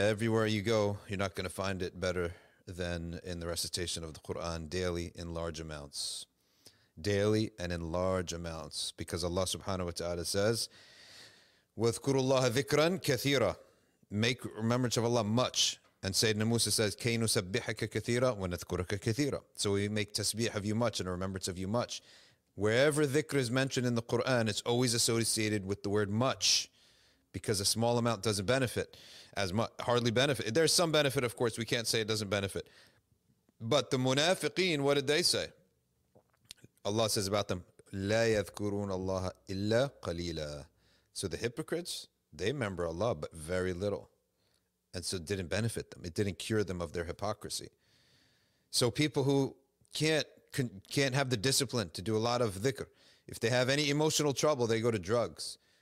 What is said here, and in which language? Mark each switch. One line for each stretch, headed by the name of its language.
English: Everywhere you go, you're not going to find it better than in the recitation of the Quran daily in large amounts. Daily and in large amounts. Because Allah Subhanahu Wa Ta'ala says,
Arabic: وَذْكُرُ اللَّهَ ذِكْرًا كَثِيرًا.
English: Make remembrance of Allah much. And Sayyidina Musa says,
Arabic: كَيْ نُسَبِّحَكَ كَثِيرًا وَنَذْكُرَكَ كَثِيرًا.
English: So we make tasbih of you much and a remembrance of you much. Wherever dhikr is mentioned in the Qur'an, it's always associated with the word much, because a small amount doesn't benefit as much, hardly benefit. There's some benefit, of course. We can't say it doesn't benefit. But the munafiqeen, what did they say? Allah says about them,
Arabic: لَا يَذْكُرُونَ اللَّهَ إِلَّا قَلِيلًا.
English: So the hypocrites, they remember Allah, but very little. And so it didn't benefit them. It didn't cure them of their hypocrisy. So people who can't have the discipline to do a lot of dhikr, if they have any emotional trouble, they go to drugs.